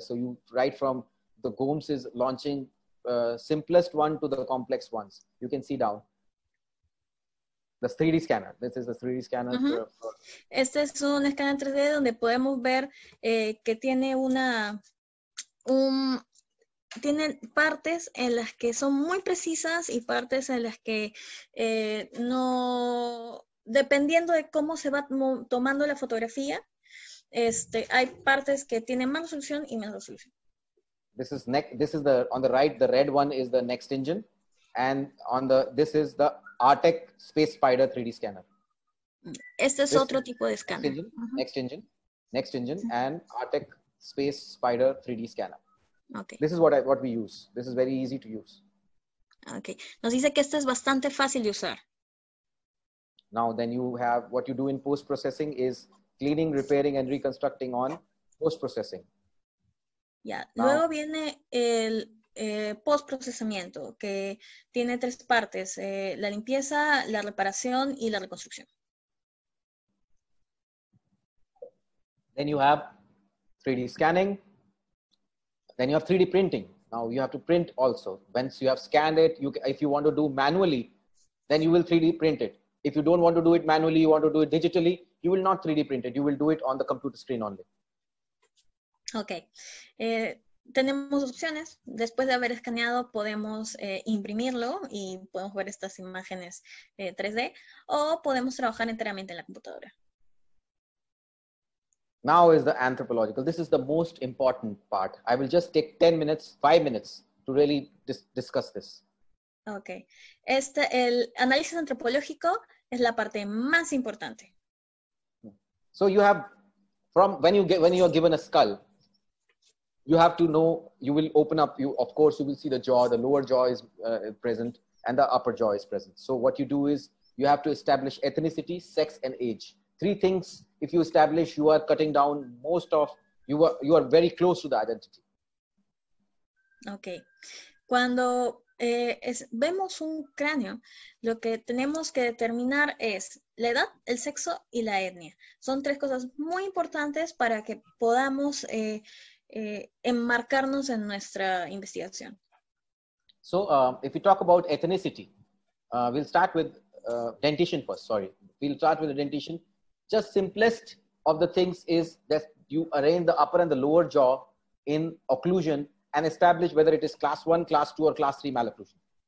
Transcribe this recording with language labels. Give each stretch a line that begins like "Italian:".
English: So you write from the GOMS is launching simplest one to the complex ones. You can see down. The 3D scanner. This is the 3D scanner.
Spanish: Este es un escáner 3D donde podemos ver que tiene una tiene partes en las que son muy precisas y partes en las que no, dependiendo de cómo se va tomando la fotografía, hay partes que tienen más resolución y menos resolución.
English: This is the on the right, the red one is the next engine, and on the this is the Artec Space Spider 3D scanner.
Spanish: Este es otro tipo de escáner.
English: Next engine, and Artec Space Spider 3D scanner. Okay. This is what we use. This is very easy to use. Okay.
Spanish: Nos dice que este es bastante fácil de usar.
English: Now then you have what you do in post-processing is cleaning, repairing and reconstructing on post-processing.
Spanish: Ya. Yeah. Luego viene el post-procesamiento, que tiene tres partes. La limpieza, la reparación y la reconstrucción.
English: Then you have 3D scanning. Then you have 3D printing. Now you have to print also. Once you have scanned it, if you want to do manually, then you will 3D print it. If you don't want to do it manually, you want to do it digitally, you will not 3D print it. You will do it on the computer screen only.
Spanish: Okay. Tenemos opciones. Después de haber escaneado, podemos imprimirlo y podemos ver estas imágenes 3D o podemos trabajar enteramente en la computadora.
English: Now is the anthropological. This is the most important part. I will just take 10 minutes, 5 minutes to really discuss this. Okay.
Spanish: El análisis antropológico es la parte más importante.
English: So you have, when you are given a skull, you have to know, you will open up, of course, you will see the jaw, the lower jaw is present and the upper jaw is present. So what you do is you have to establish ethnicity, sex and age. Three things, if you establish, you are cutting down most of, you are very close to the identity.
Spanish: Okay. Cuando vemos un cráneo, lo que tenemos que determinar es la edad, el sexo y la etnia. Son tres cosas muy importantes para que podamos enmarcarnos en nuestra investigación.
English: So, if you talk about ethnicity, we'll start with dentition first, sorry. We'll start with the dentition. Just simplest of the things is that you arrange the upper and the lower jaw in occlusion and establish whether it is class 1, class 2 or class 3 malocclusion.